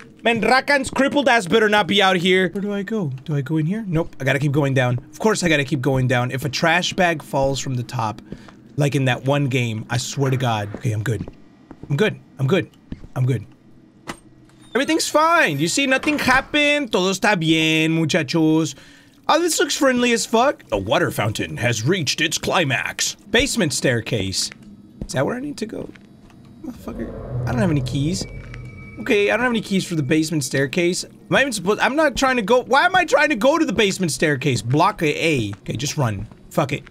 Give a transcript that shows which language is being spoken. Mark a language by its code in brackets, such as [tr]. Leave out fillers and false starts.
[en] Man, Rakan's crippled ass better not be out here. Where do I go? Do I go in here? Nope, I gotta keep going down. Of course I gotta keep going down. If a trash bag falls from the top, like in that one game, I swear to God. Okay, I'm good. I'm good. I'm good. I'm good. Everything's fine. You see, nothing happened. [es] Todo está bien, muchachos. [en] Oh, this looks friendly as fuck. The water fountain has reached its climax. Basement staircase. Is that where I need to go? Motherfucker. I don't have any keys. Okay, I don't have any keys for the basement staircase. Am I even supposed- I'm not trying to go- Why am I trying to go to the basement staircase? Block A. Okay, just run. Fuck it.